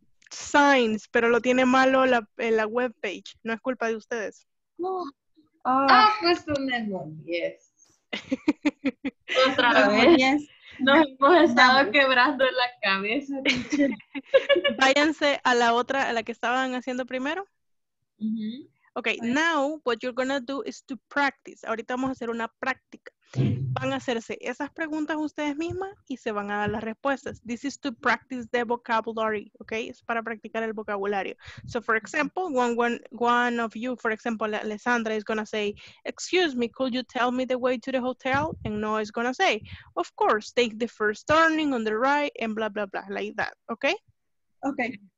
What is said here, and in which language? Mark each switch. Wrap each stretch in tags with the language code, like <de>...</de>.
<es>Signs, pero lo tiene malo la, en la web page. No es culpa de ustedes. No. Ah, ah, pues un error. Yes. Otra vez. Yes. Nos hemos estado quebrando la cabeza, teacher. Váyanse a la otra, a la que estaban haciendo primero. Uh-huh.</es> <en>Ok, now what you're going to do is to practice.</en> <es>Ahorita vamos a hacer una práctica. Van a hacerse esas preguntas ustedes mismas y se van a dar las respuestas.</es> <en>This is to practice the vocabulary, ok?</en> <es>Es para practicar el vocabulario.</es> <en>So, for example, one of you, for example, Alessandra is going to say, excuse me, could you tell me the way to the hotel? And Noah is going to say, of course, take the first turning on the right and blah, blah, blah, like that, ok? Ok.</en>